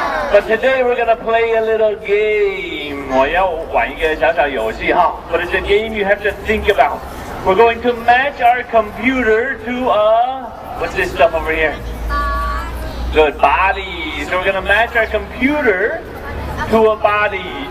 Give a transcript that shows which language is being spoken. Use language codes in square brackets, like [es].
[en] But today we're gonna play a little game. [zh] 我要玩一个小小游戏哈。 [en] But it's a game you have to think about. We're going to match our computer to a... What's this stuff over here? Good, body. So we're gonna match our computer to a body.